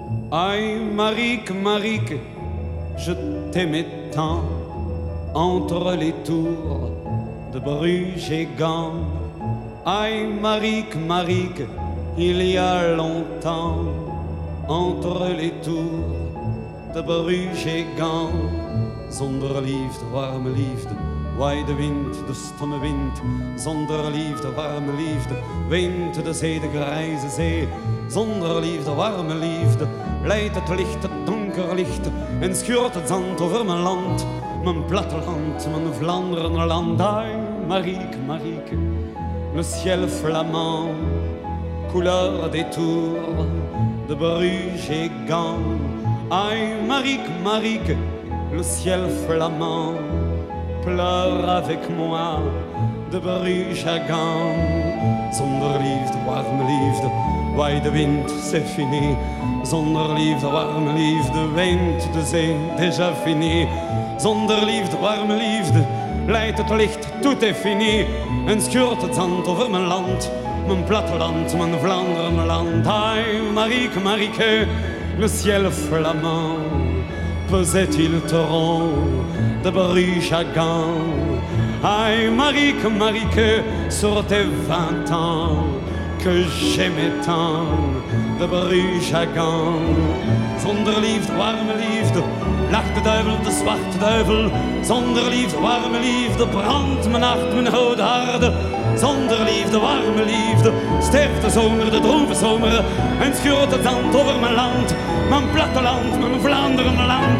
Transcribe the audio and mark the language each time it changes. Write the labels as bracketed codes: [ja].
[fr] Aïe, Marique, Marique, je t'aimais tant, entre les tours de Bruges et Gand. Aïe, Marique, Marique, il y a longtemps, entre les tours de Bruges et Gand. [nl] Zonder liefde, warme liefde, waai de wind, de stomme wind. Zonder liefde, warme liefde, wind de zee, de grijze zee. Zonder liefde, warme liefde, leidt het licht, het donker licht. En schuurt het zand over mijn land, mijn platteland, mijn Vlaanderen land. [fr] Ai, Marieke, Marieke, le ciel flamand, couleur des tours de Bruges et Gand. Ai, Marieke, Marieke, le ciel flamand, pleure avec moi de Bruges à Gand. [nl] Zonder liefde, warme liefde, waai de wind, [fr] c'est fini. [nl] Zonder liefde, warme liefde, wind de zee, [fr] déjà fini. [nl] Zonder liefde, warme liefde, leidt het licht, [fr] tout est fini. [nl] En schuurt het zand over mijn land, mijn platteland, mijn Vlaanderen land. [fr] Ai, Marieke, Marieke, le ciel flamand, pesait-il torrent de Bruges à Gand. Aïe, Marieke, Marieke, sur tes 20 ans que j'aimais tant de Bruges à Gand. [nl] Zonder liefde, warme liefde, lacht de duivel, de zwarte duivel. Zonder liefde, warme liefde, brandt mijn hart, mijn houde harde. Zonder liefde, warme liefde, sterft de zomer, de droeve zomer. En schuurt het zand over mijn land, mijn platteland, mijn Vlaanderen land.